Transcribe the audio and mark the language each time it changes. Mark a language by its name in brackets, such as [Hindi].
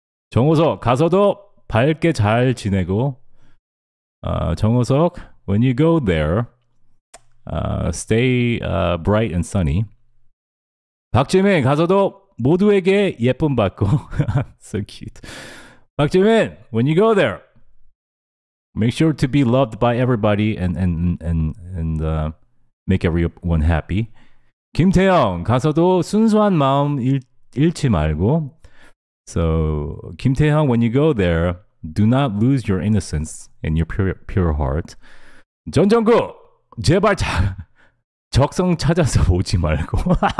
[Korean] 정호석, 가서도 밝게 잘 지내고. [English] 정호석, when you go there, stay bright and sunny. [Korean] 박지민, 가서도 모두에게 예쁨 받고. [English] So cute. 박지민, when you go there, make sure to be loved by everybody and make everyone happy. [Korean] 김태형, 가서도 순수한 마음 잃지 말고. [English] So, 김태형, when you go there, do not lose your innocence and your pure heart. [Korean] 전정국, 제발 적성 찾아서 오지 말고.